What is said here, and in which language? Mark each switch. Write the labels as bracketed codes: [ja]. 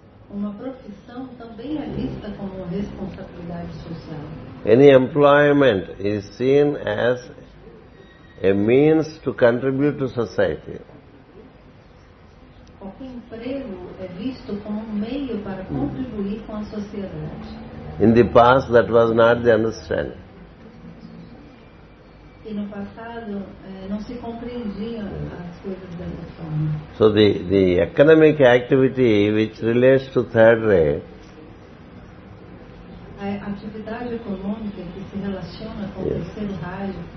[pt] Uma profissão também é vista como responsabilidade social. [en] Any employment is seen as a means to contribute to society. [pt] Qualquer emprego é visto como meio para contribuir com a sociedade. [en] In the past, that was not the understanding. [pt] E no passado não se compreendiam as coisas dessa forma. [en] So the economic activity which relates to third ray. [pt] A atividade econômica que se relaciona com [en] yes. [pt] o terceiro raio.